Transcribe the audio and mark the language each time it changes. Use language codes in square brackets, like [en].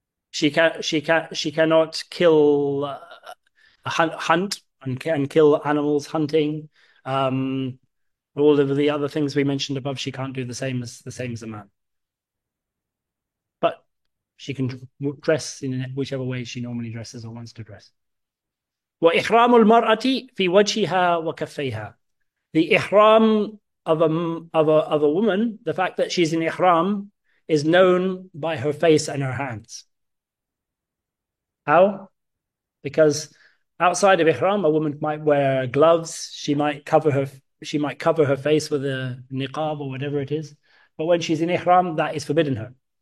[en] She cannot kill, hunt and kill animals hunting. All of the other things we mentioned above, she can't do the same as a man. But she can dress in whichever way she normally dresses or wants to dress. [ar] وإحرام المرأة في وجهها وكفيها. [en] The ihram of a woman, the fact that she's in ihram, is known by her face and her hands. How? Because outside of ihram, a woman might wear gloves, she might cover her face with a niqab or whatever it is, but when she's in ihram, that is forbidden her.